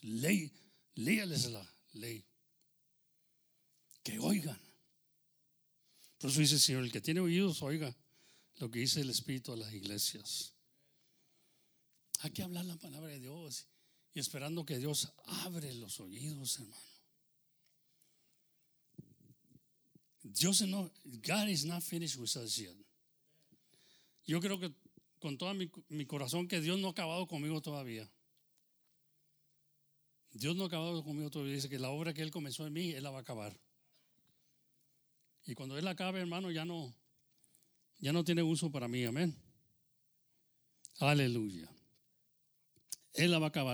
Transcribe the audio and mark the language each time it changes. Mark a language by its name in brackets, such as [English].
[Spanish] Ley, léales la ley, que oigan. Por eso dice el Señor, el que tiene oídos, oiga lo que dice el Espíritu a las iglesias. Hay que hablar la palabra de Dios y esperando que Dios abre los oídos, hermano. Dios no, [English] God is not finished with us yet. [Spanish] Yo creo que con todo mi corazón que Dios no ha acabado conmigo todavía. Dios no ha acabado conmigo todavía. Dice que la obra que Él comenzó en mí, Él la va a acabar. Y cuando Él acabe, hermano, ya no tiene uso para mí. Amén. Aleluya. Él la va a acabar.